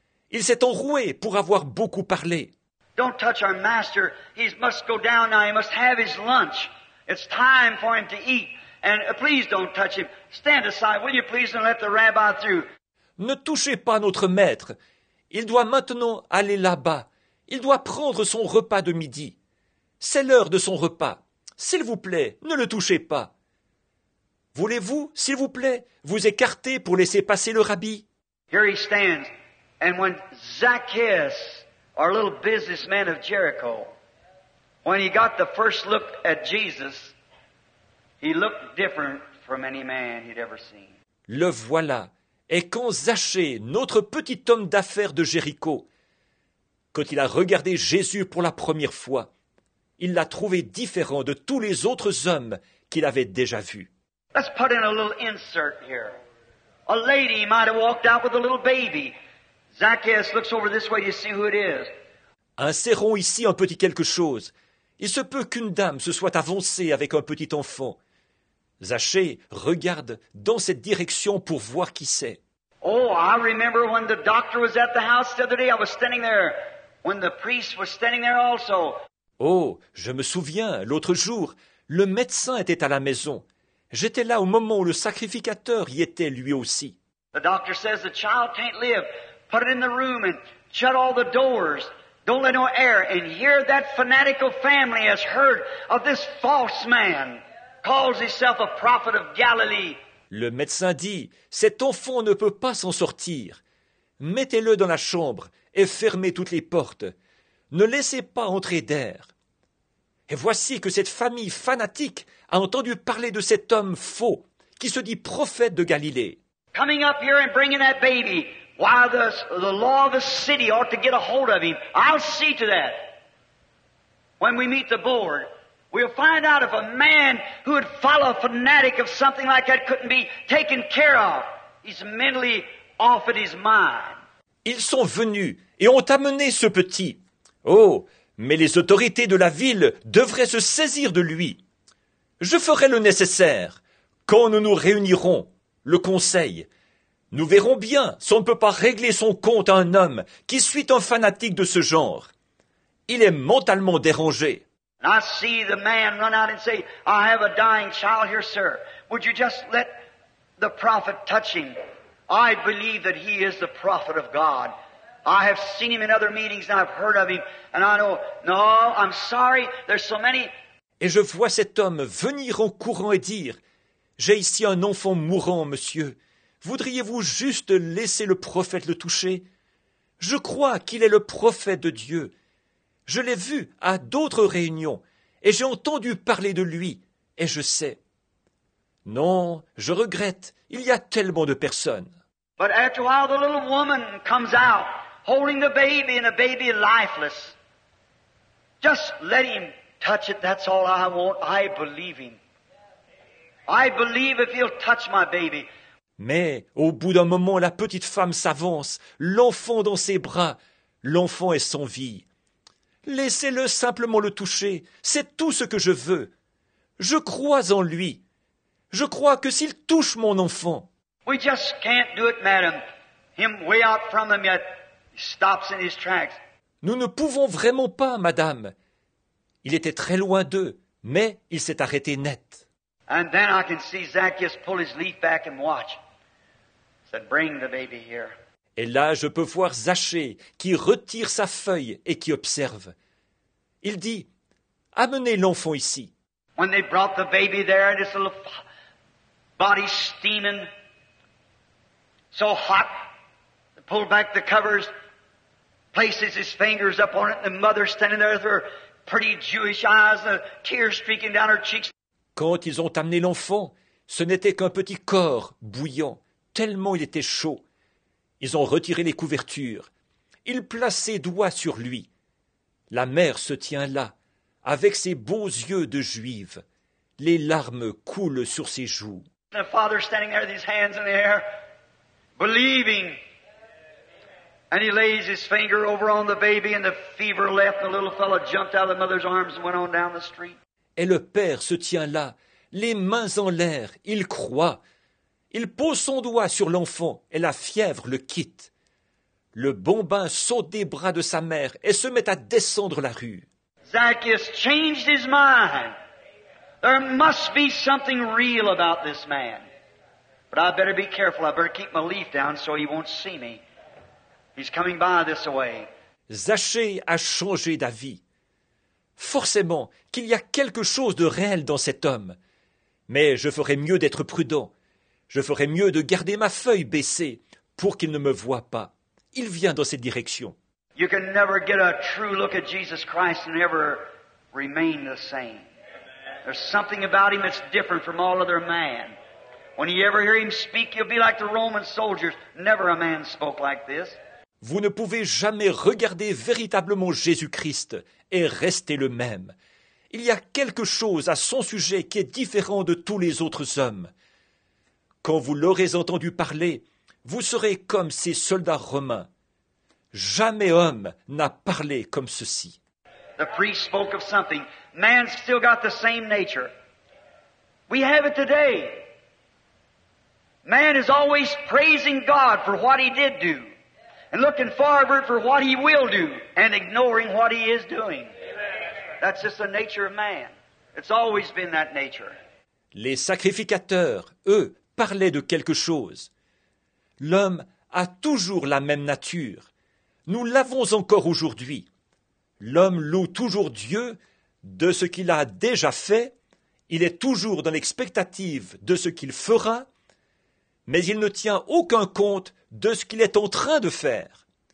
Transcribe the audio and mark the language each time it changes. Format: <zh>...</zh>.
<fr>Il s'est enroué pour avoir beaucoup parlé.</fr> <en>Don't touch our master. He must go down now. He must have his lunch. It's time for him to eat. And please don't touch him. Stand aside, will you please, and let the rabbi through.</en> <fr>Ne touchez pas notre maître. Il doit maintenant aller là-bas. Il doit prendre son repas de midi. C'est l'heure de son repas. S'il vous plaît, ne le touchez pas. Voulez-vous, s'il vous plaît, vous écarter pour laisser passer le rabbi?</fr> <en>Here he stands. And when Zacchaeus, our little businessman of Jericho, when he got the first look at Jesus, he looked different from any man he'd ever seen.</en> <fr>Le voilà. Et quand Zachée, notre petit homme d'affaires de Jéricho, quand il a regardé Jésus pour la première fois, il l'a trouvé différent de tous les autres hommes qu'il avait déjà vus.</fr> <en>Let's put in a little insert here. A lady might have walked out with a little baby. Zacchaeus looks over this way to see who it is.</en> <fr>Insérons ici un petit quelque chose. Il se peut qu'une dame se soit avancée avec un petit enfant. Zachée regarde dans cette direction pour voir qui c'est.</fr> <en>Oh, I remember when the doctor was at the house the other day, I was standing there, when the priest was standing there also.</en> <fr>Oh, je me souviens, l'autre jour, le médecin était à la maison. J'étais là au moment où le sacrificateur y était lui aussi.</fr> <en>The doctor says the child can't live. Put it in the room and shut all the doors. Don't let no air. And here that fanatical family has heard of this false man. Calls himself a prophet of Galilee.</en> <fr>Le médecin dit, cet enfant ne peut pas s'en sortir. Mettez-le dans la chambre et fermez toutes les portes. Ne laissez pas entrer d'air. Et voici que cette famille fanatique a entendu parler de cet homme faux qui se dit prophète de Galilée.</fr> <en>Coming up here and bringing that baby. Why the law of the city ought to get a hold of him. I'll see to that. When we meet the board, we'll find out if a man who would follow a fanatic of something like that couldn't be taken care of. He's mentally off in his mind.</en> <fr>Ils sont venus et ont amené ce petit. Oh, mais les autorités de la ville devraient se saisir de lui. Je ferai le nécessaire. Quand nous nous réunirons, le conseil, nous verrons bien si on ne peut pas régler son compte à un homme qui suit un fanatique de ce genre. Il est mentalement dérangé.</fr> <en>I see the man run out and say, I have a dying child here, sir. Would you just let the prophet touch him? I believe that he is the prophet of God. I have seen him in other meetings and I've heard of him. And I know, no, I'm sorry, there's so many.</en> <fr>Et je vois cet homme venir en courant et dire, j'ai ici un enfant mourant, monsieur. Voudriez-vous juste laisser le prophète le toucher? Je crois qu'il est le prophète de Dieu. Je l'ai vu à d'autres réunions et j'ai entendu parler de lui et je sais. Non, je regrette, il y a tellement de personnes.</fr> <en>But after a while, the little woman comes out, holding the baby and the baby lifeless. Just let him touch it, that's all I want. I believe him. I believe if he'll touch my baby.</en> <fr>Mais au bout d'un moment, la petite femme s'avance, l'enfant dans ses bras, l'enfant est sans vie. Laissez-le simplement le toucher, c'est tout ce que je veux. Je crois en lui. Je crois que s'il touche mon enfant.</fr> <en>We just can't do it, madam. Him way out from them yet. He stops in his tracks.</en> <fr>Nous ne pouvons vraiment pas, madame. Il était très loin d'eux, mais il s'est arrêté net.</fr> <en>And then I can see Zacchaeus pull his leaf back and watch. He said, bring the baby here.</en> <fr>Et là, je peux voir Zachée qui retire sa feuille et qui observe. Il dit, « Amenez l'enfant ici. »</fr> <en>When they brought the baby there, this little body steaming, so hot, they pulled back the covers, places his fingers up on it, and the mother standing there with her pretty Jewish eyes, the tears streaking down her cheeks.</en> <fr>Quand ils ont amené l'enfant, ce n'était qu'un petit corps bouillant, tellement il était chaud. Ils ont retiré les couvertures. Ils placent ses doigts sur lui. La mère se tient là, avec ses beaux yeux de juive. Les larmes coulent sur ses joues.</fr> <en>The father standing there with his hands in the air, believing. And he lays his finger over on the baby and the fever left. The little fellow jumped out of the mother's arms and went on down the street.</en> <fr>Et le père se tient là, les mains en l'air. Il croit. Il pose son doigt sur l'enfant et la fièvre le quitte. Le bon bain saute des bras de sa mère et se met à descendre la rue.</fr> <en>Zacchaeus changed his mind. There must be something real about this man. But I better be careful. I better keep my leaf down so he won't see me. He's coming by this way.</en> <fr>Zachée a changé d'avis. Forcément qu'il y a quelque chose de réel dans cet homme. Mais je ferai mieux d'être prudent. Je ferai mieux de garder ma feuille baissée pour qu'il ne me voie pas. Il vient dans cette direction.</fr> <en>You can never get a true look at Jesus Christ and ever remain the same. There's something about him that's different from all other men. When you ever hear him speak, you'll be like the Roman soldiers. Never a man spoke like this.</en> <fr>Vous ne pouvez jamais regarder véritablement Jésus-Christ et rester le même. Il y a quelque chose à son sujet qui est différent de tous les autres hommes. Quand vous l'aurez entendu parler, vous serez comme ces soldats romains. Jamais homme n'a parlé comme ceci.</fr> <en>The priest spoke of something. Man's still got the same nature. We have it today. Man is always praising God for what he did do and looking forward for what he will do and ignoring what he is doing. That's just the nature of man. It's always been that nature.</en> <fr>Les sacrificateurs, eux, parlaient de quelque chose. L'homme a toujours la même nature. Nous l'avons encore aujourd'hui. L'homme loue toujours Dieu de ce qu'il a déjà fait. Il est toujours dans l'expectative de ce qu'il fera. Mais il ne tient aucun compte de ce qu'il est en train de faire.</fr>